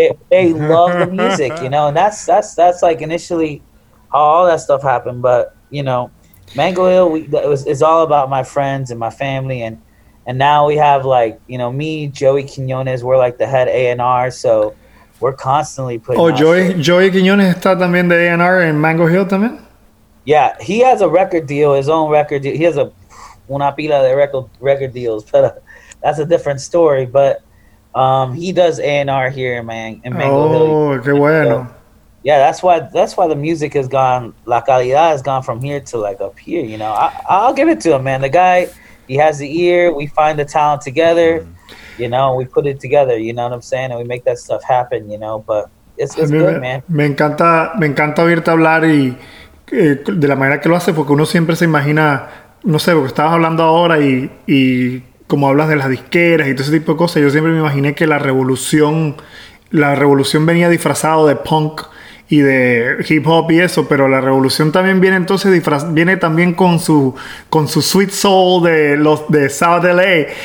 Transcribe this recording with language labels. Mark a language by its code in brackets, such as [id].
[en] they love the music, you know. And that's like initially how all that stuff happened. But you know, Mango Hill, it's all about my friends and my family. And now we have like, you know, me, Joey Quiñones, we're like the head A&R. So. We're constantly putting. [es] Oh, Joey Quiñones está también de A&R in Mango Hill también. [en] Yeah, he has a record deal, his own record deal. He has una pila de record deals, but that's a different story. But he does A&R here in Mango Hill. [es] Oh, qué bueno. [en] Yeah, that's why the music has gone, la calidad has gone from here to like up here. You know, I'll give it to him, man. The guy, he has the ear. We find the talent together. Mm. You know, we put it together, you know what I'm saying? And we make that stuff happen, you know, but it's good, man. [es] Me encanta oírte hablar y de la manera que lo haces, porque uno siempre se imagina, no sé, porque estabas hablando ahora y como hablas de las disqueras y todo ese tipo de cosas, yo siempre me imaginé que la revolución venía disfrazado de punk y de hip hop y eso, pero la revolución también viene entonces viene también con su sweet soul de los de South LA.